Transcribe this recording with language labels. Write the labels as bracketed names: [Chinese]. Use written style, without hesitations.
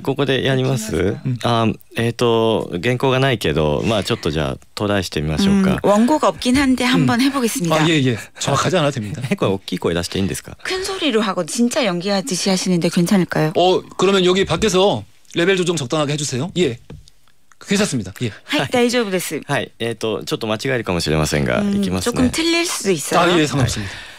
[Japanese] ここでやります原稿がないけどちょっとじゃあトライしてみましょうか [Korean] 원고가없긴한데한번해보겠습니다 예예정확하지않아도됩니다 [Japanese] これ大きい声出していいんですか [Korean] 큰소리로하고진짜연기하듯이하시는데괜찮을까요 그러면여기밖에서레벨조정적당하게해주세요예괜찮습니다 [Japanese] はい大丈夫ですはいちょっと間違えるかもしれませんがいきますね [Korean] 조금틀릴수도있어요 예상관없습니다